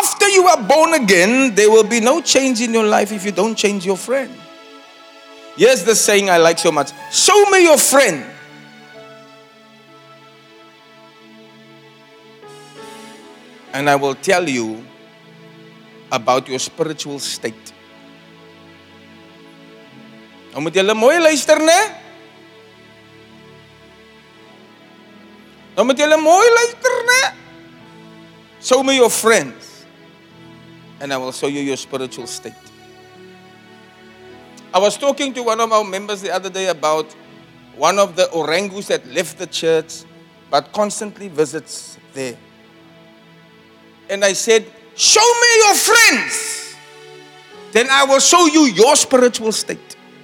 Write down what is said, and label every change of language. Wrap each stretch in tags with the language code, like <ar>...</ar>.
<en>you are born again, there will be no change in your life if you don't change your friend. Here's the saying I like so much. Show me your friend. And I will tell you about your spiritual state.</en> <af>Nou moet julle mooi luister, né?</af> <en>Show me your friends. And I will show you your spiritual state. I was talking to one of our members the other day about one of the orangus that left the church but constantly visits there. And I said, show me your friends. Then I will show you your spiritual state.</en>